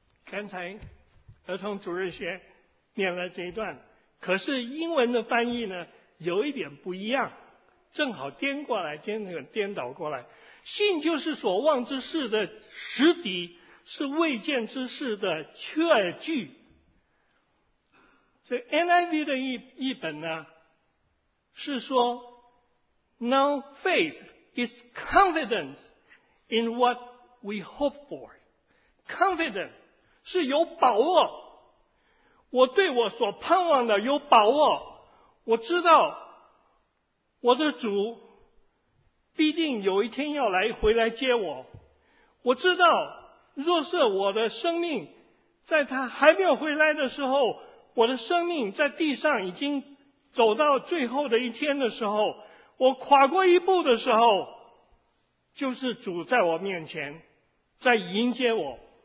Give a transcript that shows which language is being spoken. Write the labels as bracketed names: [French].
[Chinese] 刚才儿童主日学念了这一段，可是英文的翻译呢有一点不一样，正好颠过来，今天很颠倒过来。信就是所望之事的实底，是未见之事的确据。所以 NIV 的译本呢是说 [English] Now faith is confidence in what we hope for. [Chinese] Confident 是有把握，我对我所盼望的有把握，我知道我的主必定有一天要来回来接我，我知道若是我的生命在他还没有回来的时候，我的生命在地上已经走到最后的一天的时候，我跨过一步的时候，就是主在我面前在迎接我，